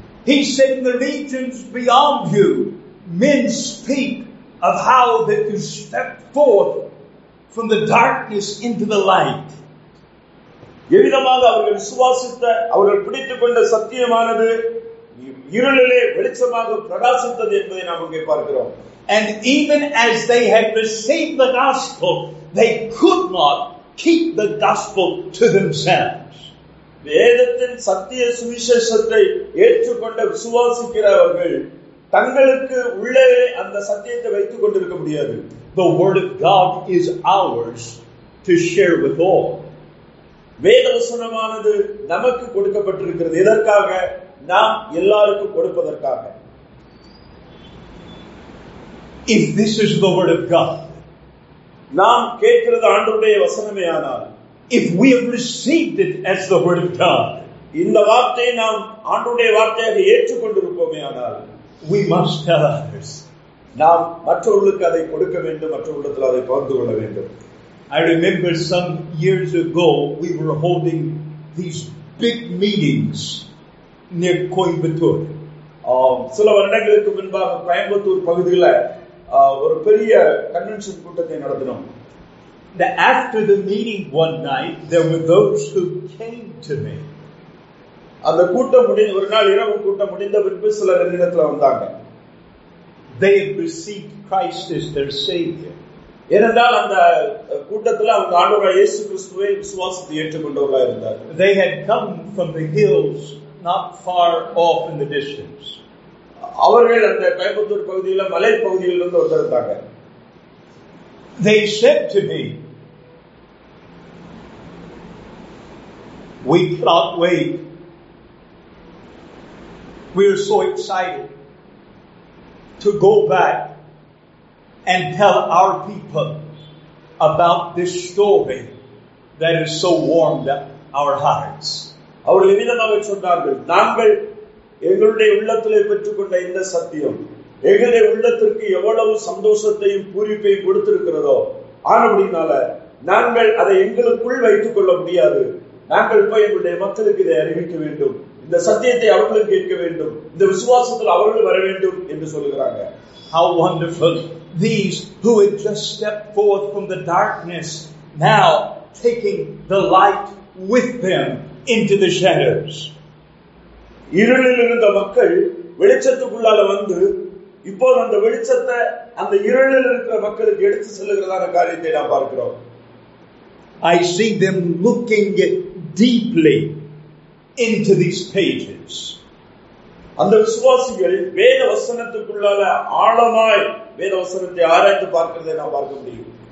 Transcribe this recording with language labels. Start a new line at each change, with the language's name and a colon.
English: He said, "In the regions beyond you, men speak of how that you step forth from the darkness into the light."
Tamil: எவ்விதமாக அவர்கள் விசுவாசித்த அவர்கள் பிடித்துக் கொண்ட சத்தியமானது இருளிலே வெளிச்சமாக பிரகாசித்தது என்பதை நாம் இங்கே பார்க்கிறோம்.
English: And even as they had received the gospel, they could not keep the gospel to themselves.
Tamil: வேதத்தின் சத்திய சுவிசேஷத்தை ஏற்றுக்கொண்ட விசுவாசிக்கிறவர்கள் தங்களுக்கு உள்ளே அந்த சத்தியத்தை வைத்துக் கொண்டிருக்க முடியாது.
English: The word of God is ours to share with all.
Tamil: வேத வசனமானது நமக்கு கொடுக்கப்பட்டிருக்கிறது. எதற்காக? நாம் எல்லாருக்கும் கொடுப்பதற்காக.
English: If this is the word of God,
Tamil: நாம் கேட்கிறது ஆண்டவருடைய வசனமே ஆனால்,
English: if we have received it as the word of God,
Tamil: இந்த வார்த்தையை நாம் ஆண்டவருடைய வார்த்தையாக ஏற்றுக்கொண்டிருப்போமே ஆனால்,
English: we must tell others.
Tamil: நாம் மற்றவர்களுக்கு அதை கொடுக்க வேண்டும், மற்றவர்களிடத்தில் அதை பகிர்ந்து கொள்ள வேண்டும்.
English: I remember some years ago we were holding these big meetings near Coimbatore.
Tamil: சில வருடங்களுக்கு முன்பாக கோயம்புத்தூர் பகுதியில் ஒரு பெரிய கன்வென்ஷன் கூட்டத்தை நடத்தினோம்.
English: After the meeting one night, there were those who came to me.
Tamil: அந்த கூட்டம் முடிந்து ஒரு நாள் இரவு கூட்டம் முடிந்த பிறகு சிலர் என்னிடத்தில் வந்தாங்க.
English: They received Christ as their Savior.
Tamil: ஏனென்றால் அந்த கூட்டத்தில் அவங்க ஆண்டவராகிய இயேசு கிறிஸ்துவை விசுவாசத்தை ஏற்றுக்கொண்டவர்களாக இருந்தார்.
English: They had come from the hills, not far off in the distance.
Tamil: அவர்கள் அந்த கோயம்புத்தூர் பகுதியில் மலை பகுதியிலிருந்து வந்திருந்தாங்க.
English: They said to me, we cannot wait. We are so excited to go back and tell our people about this story that has so warmed up our hearts.
Tamil: அவர்கள் விதமாகச் சொன்னார்கள், நாங்கள் எங்களுடைய உள்ளத்திலே பெற்றுக்கொண்ட இந்த சத்தியம் எங்களுடைய உள்ளத்திற்கு எவ்வளவு சந்தோஷத்தையும் பூரிப்பையும் கொடுத்திருக்கிறதோ, ஆனபடினால நாங்கள் அதை எங்களுக்குள் வைத்துக் கொள்ள முடியாது. நாங்கள் போய் எங்களுடைய மக்களுக்கு இதை அறிவிக்க வேண்டும், இந்த சத்தியத்தை அவர்களும் கேட்க வேண்டும், இந்த விசுவாசத்தில் அவர்களும் வர வேண்டும் என்று சொல்கிறாங்க.
English: How wonderful, these who had just stepped forth from the darkness now taking the light with them into the shadows.
Tamil: இருளிலிருந்த மக்கள் வெளிச்சத்துக்குள்ளால வந்து இப்போ அந்த வெளிச்சத்தை அந்த இருளில் இருக்கிற மக்களுக்கு எடுத்து செல்லுகிறதான காரியத்தை நாம் பார்க்கிறோம்.
English: I see them looking deeply into these pages.
Tamil: அந்த விசுவாசிகள் வேத வசனத்துக்குள்ளால ஆழமாய் வேத வசனத்தை ஆராய்ந்து பார்க்கிறதை நாம் பார்க்க முடியும்.